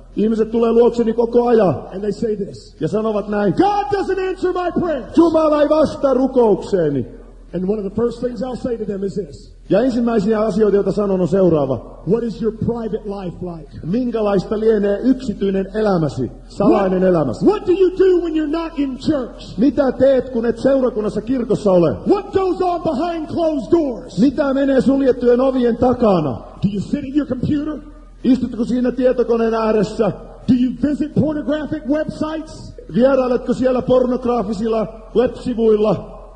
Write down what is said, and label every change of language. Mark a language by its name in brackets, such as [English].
[Finnish] Ihmiset tulee luokseni koko ajan. [English] And they say this. [Finnish] Ja sanovat näin. [English] God doesn't answer my prayers. [Finnish] Jumala ei vastaa rukoukseeni. [English] And one of the first things I'll say to them is this. [Finnish] Ja ensimmäisiä asioita, joita sanon, on seuraava. [English] What is your private life like? [Finnish] Minkälaista lienee yksityinen elämäsi, salainen elämäsi? [English] What do you do when you're not in church? [Finnish] Mitä teet, kun et seurakunnassa, kirkossa ole? [English] What goes on behind closed doors? [Finnish] Mitä menee suljettujen ovien takana? [English] Do you sit at your computer? [Finnish] Istutko siinä tietokoneen ääressä? [English] Do you visit pornographic websites? [Finnish] Vierailetko siellä pornograafisilla websivuilla?